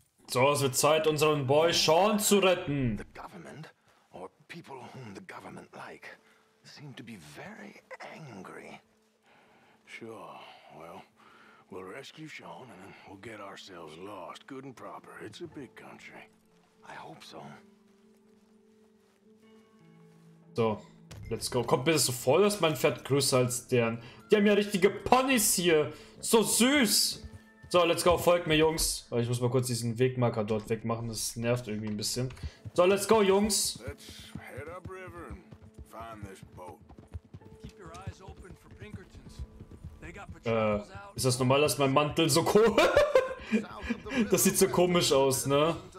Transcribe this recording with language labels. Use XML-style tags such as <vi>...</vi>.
<de>So, es wird Zeit, unseren Boy Sean zu retten.</de> <en>The government, or people whom the government like, seem to be very angry. Sure. Well, we'll rescue Sean and then we'll get ourselves lost, good and proper. It's a big country. I hope so. So, let's go.</en> <de>Kommt mir das so vor, dass mein Pferd größer als deren? Die haben ja richtige Ponys hier. So süß.</de> <en>So, let's go.</en> <de>Folgt mir, Jungs. Ich muss mal kurz diesen Wegmarker dort wegmachen. Das nervt irgendwie ein bisschen. So,</de> <en>let's go,</en> <de>Jungs.</de> <en>Let's head up river and find this boat. Keep your eyes open for Pinkertons. They got patrols.</en> <de>Ist das normal, dass mein Mantel so komisch ist? Das sieht so komisch aus, ne?</de>